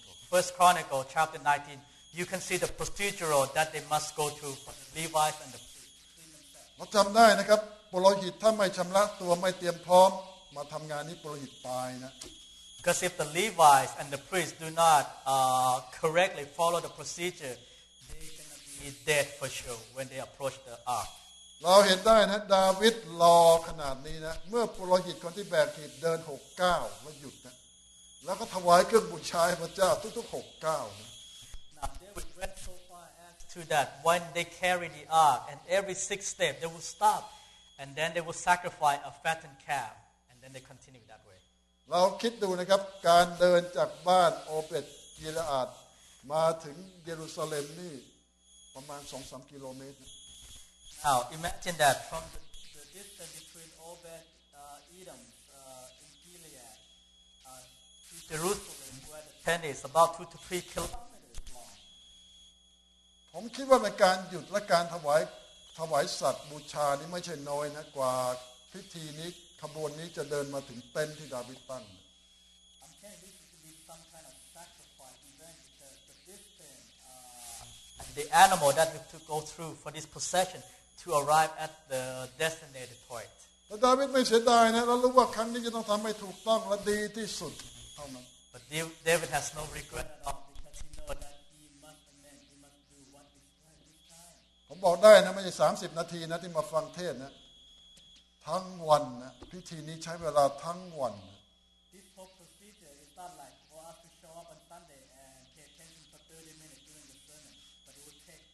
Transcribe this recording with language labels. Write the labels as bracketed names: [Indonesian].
[English] First Chronicle, chapter 19, you can see the procedural that they must go through for the Levites and the priests. [Thai] เราจำได้นะครับปุโรหิตถ้าไม่ชำระตัวไม่เตรียมพร้อมมาทำงานนี้ปุโรหิตตายนะ [English] Because if the Levites and the priests do not correctly follow the procedure, they're going to be dead for sure when they approach the ark. [Thai] เราเห็นได้นะดาวิดรอขนาดนี้นะเมื่อปุโรหิตคนที่แบกหีบเดิน6ก้าวแล้วหยุดนะแล้วก็ถวายเครื่องบูชาพระเจ้าทุกๆ6ก้าวนะ [English] Now David went so far as to that when they carry the ark and every 6 step they will stop and then they will sacrifice a fattened calf and then they continue that way [Thai] เราคิดดูนะครับการเดินจากบ้านโอเปตกิลอาดมาถึงเยรูซาเล็มนี่ประมาณ 2-3 กิโลเมตร [English] Now imagine that from the distance between Obed Edom in Gilead to Jerusalem where the tent is about 2-3 kilometers long. [Thai] ผมคิดว่าการหยุดและการถวายสัตว์บูชานี่ไม่ใช่น้อยนะกว่าพิธีนี้ขบวนนี้จะเดินมาถึงเต็นท์ที่ดาวิดตั้ง [English] I'm saying this is to be some kind of sacrifice event because the distance and the animal that we have to go through for this procession. To arrive at the designated point. But [Thai] David ไม่เสียดายนะ แล้วรู้ว่าครั้งนี้จะต้องทำให้ถูกต้องและดีที่สุดเท่านั้น [English] But David has no regret at all because he knows that he must amend, he must do what is right this time. [Thai] ผมบอกได้นะไม่ใช่30นาทีนะที่มาฟังเทศนะทั้งวันนะพิธีนี้ใช้เวลาทั้งวัน [English] This whole procedure is not like for us to show up on Sunday and pay attention for 30 minutes during the sermon, but it would take